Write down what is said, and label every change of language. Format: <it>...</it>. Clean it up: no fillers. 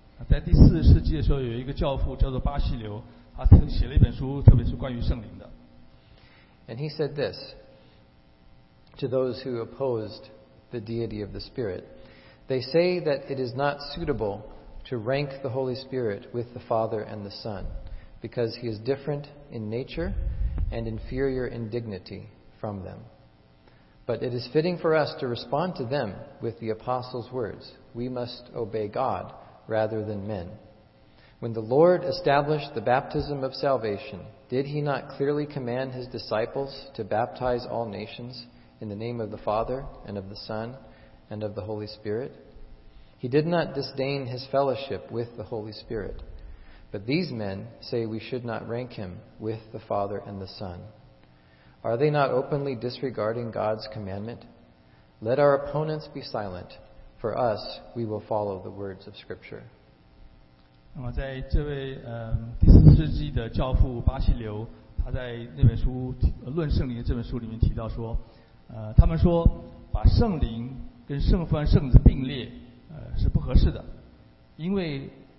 <zh>在第四世纪的时候，有一个教父叫做巴西流，他曾写了一本书，特别是关于圣灵的。</zh> <en>And he said this to those who opposed the deity of the Spirit: They say that it is not suitable to rank the Holy Spirit with the Father and the Son, because he is different in nature and inferior in dignity from them. But it is fitting for us to respond to them with the apostles' words, We must obey God rather than men. When the Lord established the baptism of salvation, did he not clearly command his disciples to baptize all nations in the name of the Father and of the Son and of the Holy Spirit? He did not disdain his fellowship with the Holy Spirit. But these men say we should not rank him with the Father and the Son. Are they not openly disregarding God's commandment? Let our opponents be silent. For us, we will follow the words of Scripture.</en> <zh>那么在这位第四世纪的教父巴西流，他在那本书《论圣灵》这本书里面提到说，他们说把圣灵跟圣父和圣子并列，是不合适的，因为</zh>